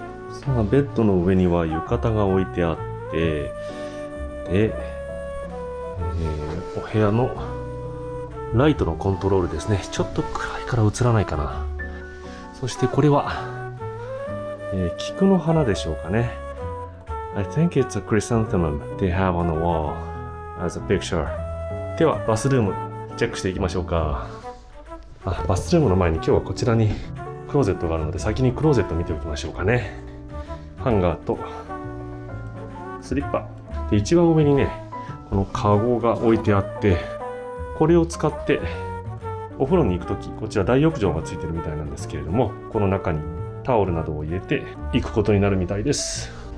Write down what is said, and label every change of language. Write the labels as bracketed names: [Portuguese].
[Japanese] さあ、ベッドの上には浴衣が置いてあって、で、お部屋のライトのコントロールですね。ちょっと暗いから映らないかな。そしてこれは、菊の花でしょうかね。 [English] I think it's a chrysanthemum they have on the wall as a picture. [Japanese] ではバスルームチェックしていきましょうか。あ、バスルームの前に今日はこちらにクローゼットがあるので、先にクローゼット見ておきましょうかね。ハンガーとスリッパで、一番上にね、このカゴが置いてあって、これを使ってお風呂に行くとき、こちら大浴場がついてるみたいなんですけれども、この中にタオルなどを入れて行くことになるみたいです。